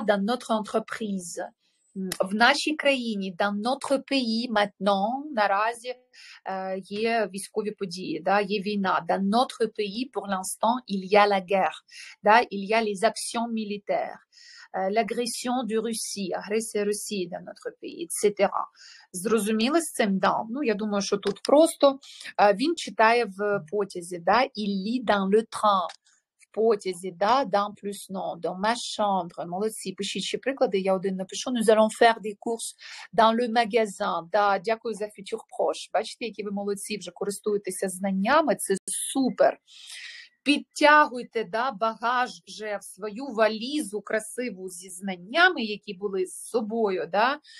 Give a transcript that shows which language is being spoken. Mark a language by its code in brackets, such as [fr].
[fr] Dans notre entreprise, [uk] в нашій країні, [fr] dans notre pays, maintenant, [uk] наразі є військові події, да? Є війна. [fr] Dans notre pays, pour l'instant, il y a la guerre, [uk] да? [fr] Il y a les actions militaires. L'agression de Russie, [uk] агресія Росії на [fr] notre pays, etc. [uk] Зрозуміли з цим? Да. Ну, я думаю, що тут просто. Він читає в потязі, да? [fr] Il lit dans le train. [uk] В потязі, да? [fr] Dans plus non. Dans ma chambre. [uk] Молодці. Пишіть ще приклади, я один напишу. [fr] Nous allons faire des courses dans le magasin. [uk] Да, дякую за futur proche. Бачите, які ви молодці, вже користуєтеся знаннями, це супер. Підтягуйте, да, багаж вже в свою валізу красиву зі знаннями, які були з собою. Да?